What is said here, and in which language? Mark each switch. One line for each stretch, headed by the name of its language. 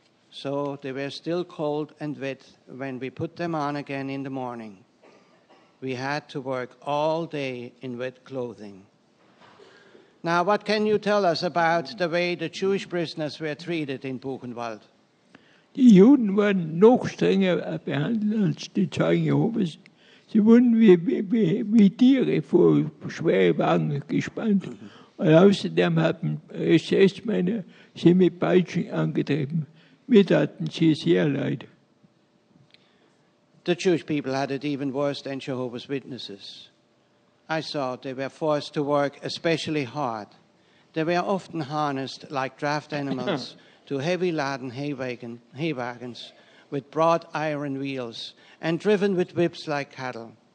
English: So they were still cold and wet when we put them on again in the morning. We had to work all day in wet clothing. Now, what can you tell us about the way the Jewish prisoners were treated in Buchenwald?
German: Die Juden waren noch strenger behandelt als die Zeugen Jehovas. Sie wurden wie Tiere vor schwere Wagen gespannt. Und außerdem haben SS-Männer sie mit Peitschen angetrieben. Mir taten sie sehr leid.
English: The Jewish people had it even worse than Jehovah's Witnesses. I saw they were forced to work especially hard. They were often harnessed like draft animals to heavy laden hay wagons with broad iron wheels and driven with whips like cattle.